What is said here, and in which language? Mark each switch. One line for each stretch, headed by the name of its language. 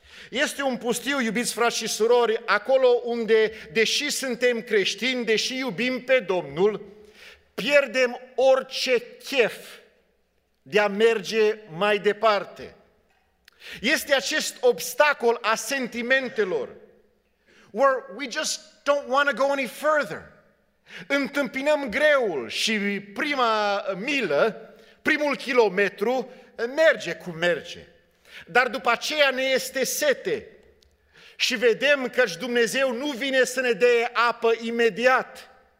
Romanian: Este un pustiu, iubiți frați și surori, acolo unde, deși suntem creștini, deși iubim pe Domnul, pierdem orice chef de a merge mai departe. Este acest obstacol a sentimentelor.
English: Where we just don't want to go any further.
Romanian: Întâmpinăm greul și prima milă, primul kilometru, merge cum merge. Dar după aceea ne este sete și vedem că Dumnezeu nu vine să ne dea apă imediat.